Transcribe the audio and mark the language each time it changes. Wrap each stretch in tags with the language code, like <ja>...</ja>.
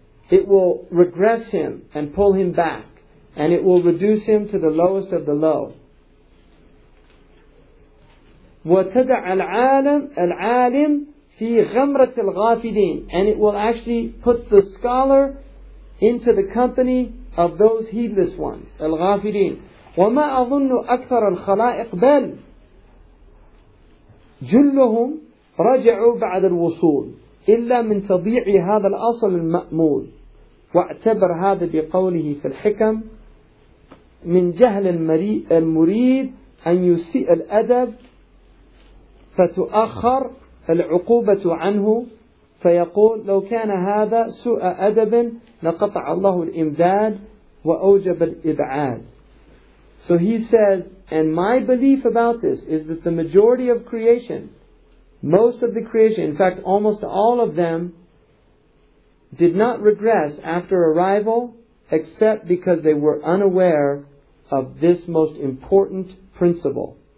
<en>It will regress him and pull him back. And it will reduce him to the lowest of the low.</en> <ar>وَتَدَعَ الْعَالَمَ الْعَالِمْ فِي غَمْرَةِ الْغَافِلِينَ.</ar> <en>And it will actually put the scholar into the company of those heedless ones.</en> <ar>الْغَافِلِينَ. وَمَا أَظُنُّ أَكْثَرَ الْخَلَائِقْ بَلْ جُلُّهُمْ رَجَعُوا بَعْدَ الْوُصُولِ إِلَّا مِنْ تَضِيعِ هَذَا الْأَصَلِ الْمَأْمُولِ واعتبر هذا بقوله في الحكم من جهل المريد أن يسيء الأدب فتؤخر العقوبة عنه فيقول لو كان هذا سوء أدب لقطع الله الإمداد وأوجب الإبعاد.</ar> <en>So he says, and my belief about this is that the majority of creation, most of the creation, in fact almost all of them, did not regress after arrival except because they were unaware of this most important principle.</en>